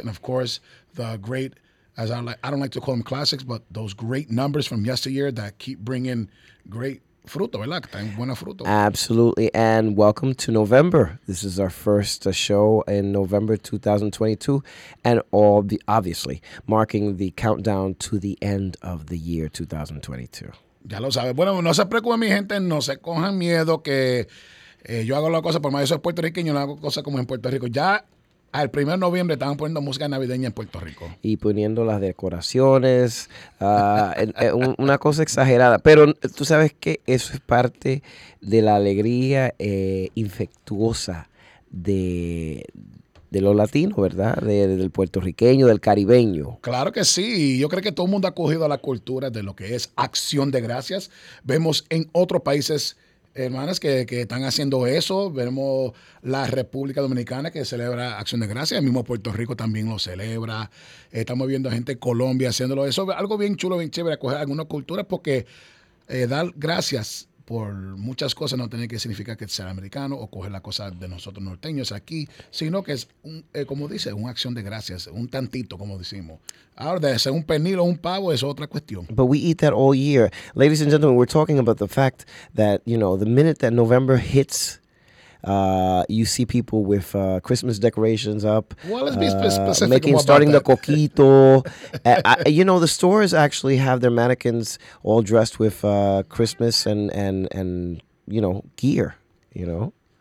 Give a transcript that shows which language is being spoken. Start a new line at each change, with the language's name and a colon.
English: And, of course, the great, as I don't like to call them classics, but those great numbers from yesteryear that keep bringing great
Spanish: fruto, ¿verdad? Buena fruto.
English: Absolutely. And welcome to November. This is our first show in November 2022. And all the obviously marking the countdown to the end of the year 2022.
Spanish: Ya lo sabe. Bueno, no se preocupen, mi gente. No se cojan miedo que yo hago la cosa. Por más eso es puertorriqueño, yo no hago cosas como en Puerto Rico. Ya al 1 de noviembre estaban poniendo música navideña en Puerto Rico. Y poniendo las decoraciones, una cosa exagerada. Pero tú sabes que eso es parte de la alegría infectuosa de los latinos, ¿verdad? Del puertorriqueño, del caribeño. Claro que sí. Yo creo que todo el mundo ha cogido a la cultura de lo que es Acción de Gracias. Vemos en otros países, hermanas que están haciendo eso. Vemos la República Dominicana que celebra Acción de Gracias. El mismo Puerto Rico también lo celebra. Estamos viendo gente de Colombia haciéndolo. Eso es algo bien chulo, bien chévere, acoger algunas culturas porque dar gracias por muchas cosas no tiene que significar que sea americano o coger la cosa de nosotros norteños aquí, sino que es, como dice, una acción de gracias, un tantito, como decimos. Ahora, de ser un pernil o un pavo es otra cuestión.
English: But we eat that all year. Ladies and gentlemen, we're talking about the fact that, you know, the minute that November hits, you see people with Christmas decorations up. Well, let's be specific. Starting the coquito. you know, the stores actually have their mannequins all dressed with Christmas and you know, gear, you know.